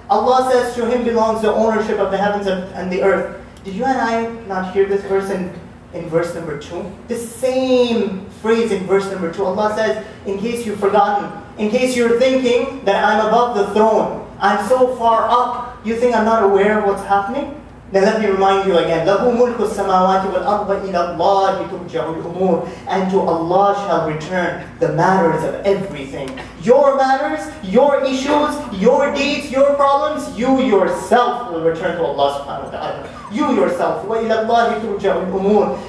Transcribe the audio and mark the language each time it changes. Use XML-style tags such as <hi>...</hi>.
<en>Allah says to Him belongs the ownership of the heavens and the earth. Did you and I not hear this verse in verse number 2? The same phrase in verse number 2. Allah says, in case you've forgotten, in case you're thinking that I'm above the throne, I'm so far up, you think I'm not aware of what's happening? Then let me remind you again,</en> <ar>لَهُ مُلْكُ السَّمَاوَاتِ وَالْأَرْضَ إِلَى اللَّهِ تُرْجَعُ الْأُمُورِ.</ar> <en>And to Allah shall return the matters of everything. Your matters, your issues, your deeds, your problems, you yourself will return to Allah subhanahu wa ta'ala. You yourself,</en> <ar>وَإِلَى اللَّهِ تُرْجَعُ الْأُمُورِ.</ar>